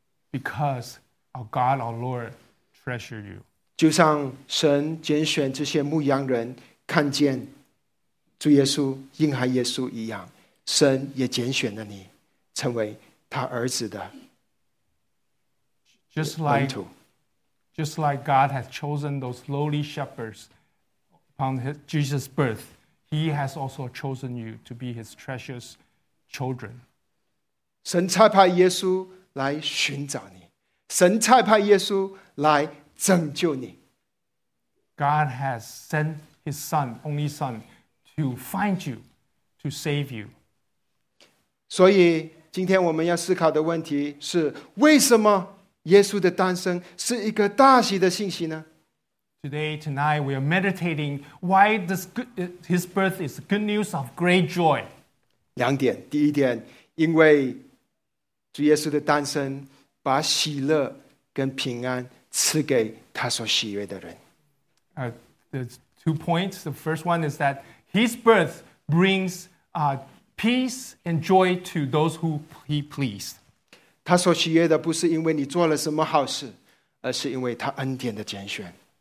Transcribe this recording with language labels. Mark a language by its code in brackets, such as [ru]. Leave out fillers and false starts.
[en] Because our God, our Lord, treasure you. [zh] 就像神拣选这些牧羊人看见主耶稣、婴孩耶稣一样，神也拣选了你，成为他儿子的门徒。 [en] Just like God has chosen those lowly shepherds upon Jesus' birth, He has also chosen you to be His precious children. [zh] 神差派耶稣来寻找你，神差派耶稣来拯救你。 [en] God has sent His Son, only Son, to find you, to save you. [zh] 所以今天我们要思考的问题是，为什么耶稣的诞生是一个大喜的信息呢？ [en] Today, tonight, we are meditating why his birth is good news of great joy. [zh] 两点，第一点，因为主耶稣的诞生把喜乐跟平安赐给他所喜悦的人。 [en] There's two points. The first one is that his birth brings peace and joy to those who he pleased. [zh] 他所喜悦的不是因为你做了什么好事，而是因为他恩典的拣选。